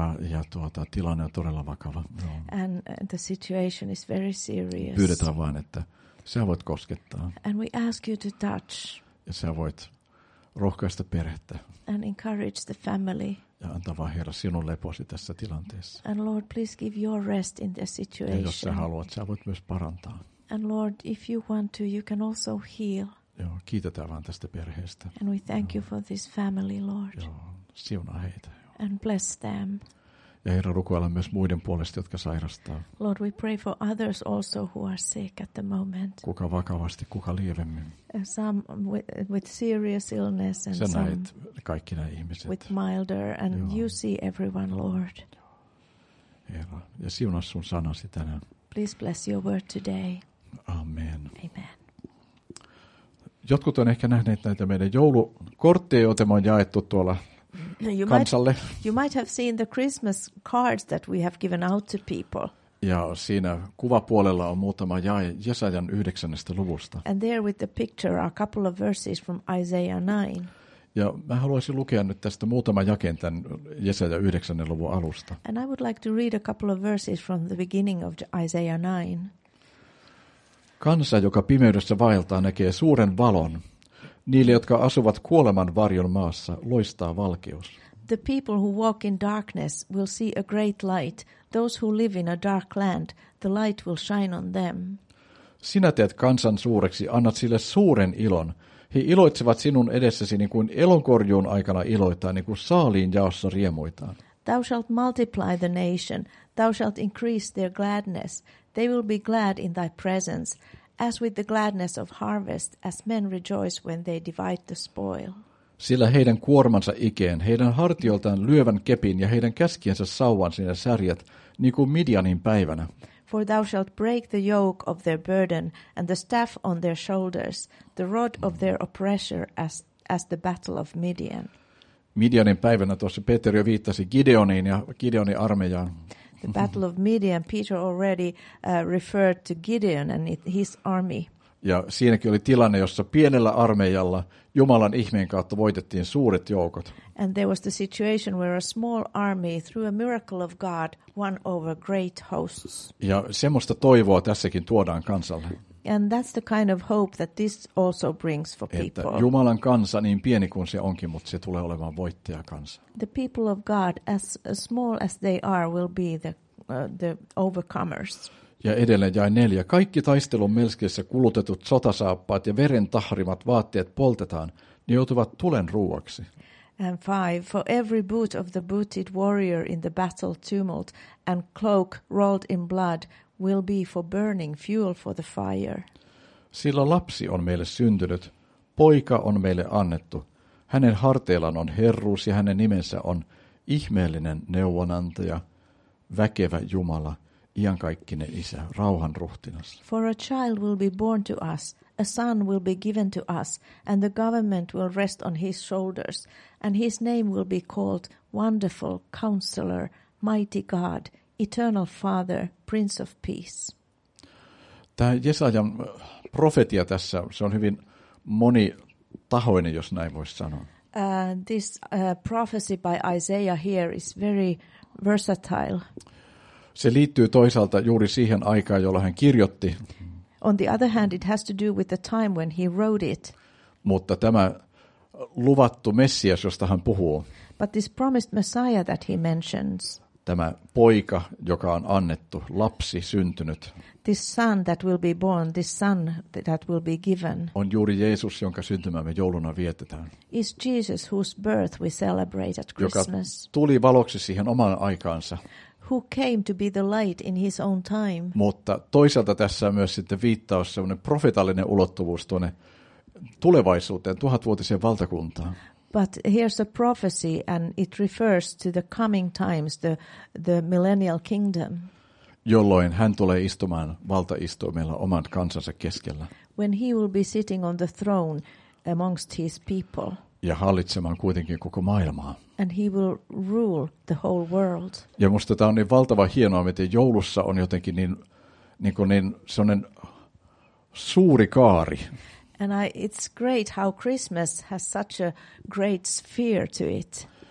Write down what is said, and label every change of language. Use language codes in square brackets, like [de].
[fi] Ja tuota, tilanne on todella vakava. [en] And the situation is very serious. [fi] Pyydetään vain, että sä voit koskettaa. [en] And we ask you to touch. [fi] Ja sä voit rohkaista perhettä. [en] And encourage the family. [fi] Ja antaa vaan Herra sinun leposi tässä tilanteessa. [en] And Lord, please give your rest in this situation. [fi] Ja jos sä haluat, sä voit myös parantaa. [en] And Lord, if you want to, you can also heal. [fi] Joo, kiitetään vaan tästä perheestä. [en] And we thank you for this family, Lord. [fi] Joo, siunaa heitä. [en] And bless them. [fi] Ja Herra, rukoillaan myös muiden puolesta, jotka sairastaa. [en] Lord, we pray for others also who are sick at the moment. [fi] Kuka vakavasti, kuka lievemmin. [en] Some with serious illness and [fi] sä [en] some [fi] näet kaikki nämä ihmiset. [en] With milder and joo. You see everyone, Lord. [fi] Herra, ja siunaa sun sanasi tänään. [en] Please bless your word today. [fi] Amen. [en] Amen. [fi] Jotkut on ehkä nähneet näitä meidän joulukortteja, joita me on jaettu tuolla kansalle. [en] You might have seen the Christmas cards that we have given out to people. [fi] Ja siinä kuvapuolella on muutama jae Jesajan 9. luvusta. [en] And there with the picture are a couple of verses from Isaiah 9. [fi] Ja mä haluaisin lukea nyt tästä muutama jakeen tämän Jesaja 9. luvun alusta. [en] And I would like to read a couple of verses from the beginning of Isaiah 9. [fi] Kansa, joka pimeydessä vaeltaa, näkee suuren valon. Niille, jotka asuvat kuoleman varjon maassa, loistaa valkeus. [en] The people who walk in darkness will see a great light. Those who live in a dark land, the light will shine on them. [fi] Sinä teet kansan suureksi, annat sille suuren ilon. He iloitsevat sinun edessäsi niin kuin elonkorjuun aikana iloitaan, niin kuin saaliin jaossa riemuitaan. [en] Thou shalt multiply the nation, thou shalt increase their gladness. They will be glad in thy presence, as with the gladness of harvest, as men rejoice when they divide the spoil. [fi] Sillä heidän kuormansa ikeen, heidän hartioltaan lyövän kepin ja heidän käskiensä sauvan sinä särjät, niin kuin Midianin päivänä. [en] For thou shalt break the yoke of their burden, and the staff on their shoulders, the rod of their oppressor, as the battle of Midian. [fi] Midianin päivänä tuossa Peter jo viittasi Gideoniin ja Gideonin armeijaan. [en] The battle of Midian, Peter already referred to Gideon and his army. [fi] Ja siinäkin oli tilanne, jossa pienellä armeijalla Jumalan ihmeen kautta voitettiin suuret joukot. [en] And there was the situation where a small army, through a miracle of God, won over great hosts. [fi] Ja semmoista toivoa tässäkin tuodaan kansalle. [en] And that's the kind of hope that this also brings for people. [fi] Että Jumalan kansa niin pieni kuin se onkin, mutta se tulee olemaan voittaja kansa. [en] The people of God, as small as they are, will be the overcomers. [fi] Ja edelleen jae 4. Kaikki taistelun melskeissä kulutetut sotasaappaat ja veren tahrimat vaatteet poltetaan, ne joutuvat tulen ruuaksi. [en] And 5. For every boot of the booted warrior in the battle tumult and cloak rolled in blood will be for burning fuel for the fire. [fi] Sillä lapsi on meille syntynyt, poika on meille annettu. Hänen harteillaan on herruus ja hänen nimensä on ihmeellinen neuvonantaja, väkevä Jumala, iankaikkinen isä, rauhan ruhtinas. [en] For a child will be born to us, a son will be given to us, and the government will rest on his shoulders, and his name will be called Wonderful Counselor, Mighty God, Eternal Father, Prince of Peace. [fi] Tämä Jesajan profetia tässä, se on hyvin monitahoinen, jos näin voisi sanoa. [en] This prophecy by Isaiah here is very versatile. [fi] Se liittyy toisaalta juuri siihen aikaan, jolloin hän kirjoitti. [en] On the other hand, it has to do with the time when he wrote it. [fi] Mutta tämä luvattu Messias, josta hän puhuu. [en] But this promised Messiah that he mentions. [fi] Tämä poika, joka on annettu, lapsi syntynyt. [en] This son that will be born, this son that will be given. [fi] On juuri Jeesus, jonka syntymä me jouluna vietetään. [en] Is Jesus whose birth we celebrate at Christmas. [fi] Joka tuli valoksi siihen omaan aikaansa. [en] Who came to be the light in his own time. [fi] Mutta toisaalta tässä on myös sitten viittaus semmoinen profetallinen ulottuvuus tuonne tulevaisuuteen, tuhatvuotiseen valtakuntaan. [en] But here's a prophecy and it refers to the coming times, the millennial kingdom. [fi] Jolloin hän tulee istumaan valtaistuimella oman kansansa keskellä. [en] When he will be sitting on the throne amongst his people. [fi] Ja hallitsemaan kuitenkin koko maailmaa. [en] And he will rule the whole world. [fi] Ja musta tämä on niin valtava hienoa, miten joulussa on jotenkin niin sellainen suuri kaari. [en] And it's great how Christmas has such a great sphere to it.